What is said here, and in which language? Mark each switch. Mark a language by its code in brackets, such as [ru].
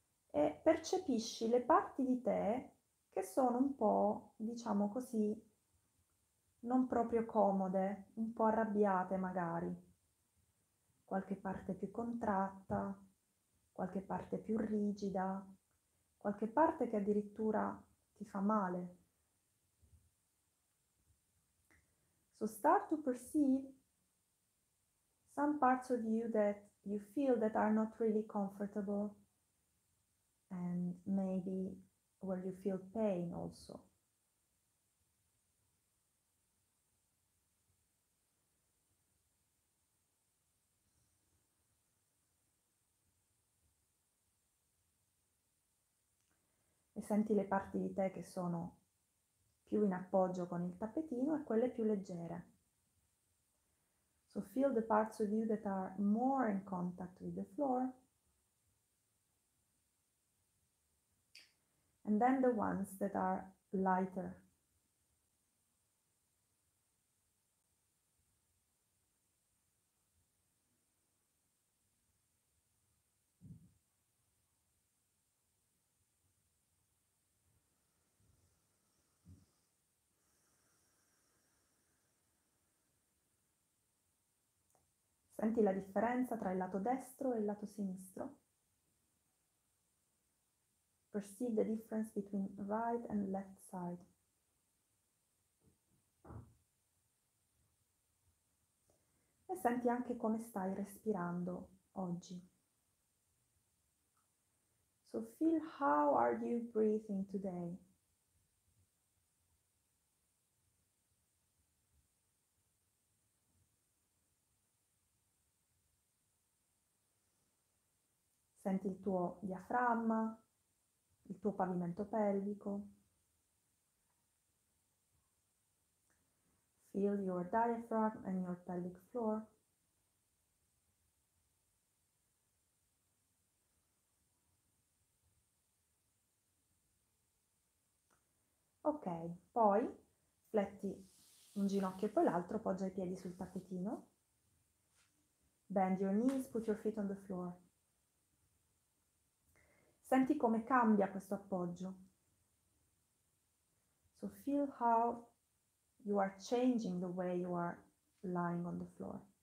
[it] E percepisci le parti di te che sono un po', diciamo così, non proprio comode, un po' arrabbiate magari. Qualche parte più contratta, qualche parte più rigida, qualche parte che addirittura ti fa male. [en] So start to perceive some parts of you that you feel that are not really comfortable. And maybe where you feel pain also. [it] E senti le parti di te che sono più in appoggio con il tappetino e quelle più leggere. [en] So feel the parts of you that are more in contact with the floor. And then the ones that are lighter. [it] Senti la differenza tra il lato destro e il lato sinistro? [en] Perceive the difference between right and left side. [it] E senti anche come stai respirando oggi. [en] So feel how are you breathing today? [it] Senti il tuo diaframma. Il tuo pavimento pelvico. [en] Feel your diaphragm and your pelvic floor. [it] Ok, poi fletti un ginocchio e poi l'altro, poggia i piedi sul tappetino. [en] Bend your knees, put your feet on the floor. [it] Senti come cambia questo appoggio. [en] So feel how you are changing the way you are lying on the floor.